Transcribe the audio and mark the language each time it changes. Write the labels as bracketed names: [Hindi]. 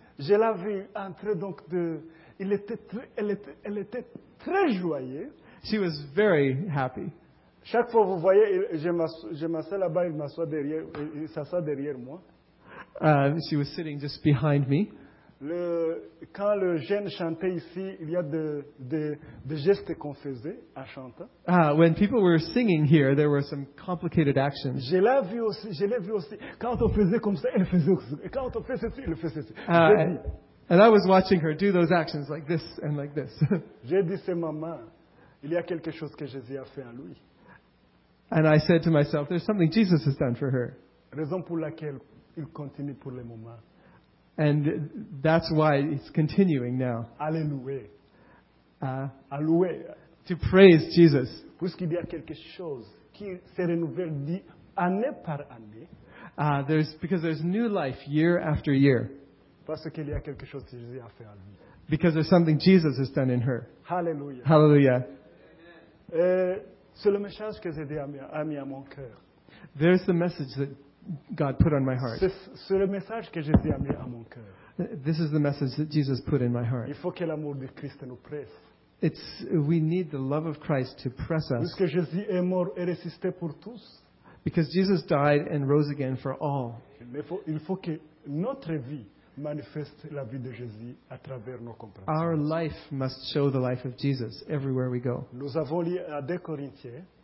[French] Je l'ai vu entrer donc de... Elle était très joyeuse. [English] She was very happy. [French] Chaque fois, vous voyez, je m'assois là-bas, il m'assoit derrière, il s'assoit derrière moi. [English] She was sitting just behind me. [French] Quand le jeune chantait ici, il y a des gestes qu'on faisait en chantant. [English] Ah, when people were singing here, there were some complicated actions. [French] Je l'ai vu aussi. Quand on faisait comme ça, elle faisait aussi. Quand on faisait ceci, elle faisait ceci. [English] And I was watching her do those actions like this and like this. [French] J'ai dit, c'est maman, il y a quelque chose que Jésus a fait en lui. [English] And I said to myself, there's something Jesus has done for her. [French] Raison pour laquelle il continue pour le moment. [English] And that's why it's continuing now. [French] Alléluia. Alléluia. [English] To praise Jesus. [French] Puisqu'il y a quelque chose qui se renouvelle année par année. [English] Because there's new life year after year. [French] Parce qu'il y a quelque chose que Jésus a fait en lui. [English] Because there's something Jesus has done in her. [French] Alléluia. Alléluia. C'est le message que Jésus a mis à mon cœur. [English] There's the message that God put on my heart. [French] C'est le message que Jésus a mis à mon cœur. [English] This is the message that Jesus put in my heart. [French] Il faut que l'amour de Christ nous presse. [English] We need the love of Christ to press us. [French] Puisque Jésus est mort et ressuscité pour tous. [English] Because Jesus died and rose again for all. [French] Il faut que notre vie manifeste la vie de Jésus à travers nos compréhensions. [English] Our life must show the life of Jesus everywhere we go. [French] Nous avons lu dans 1 Corinthiens.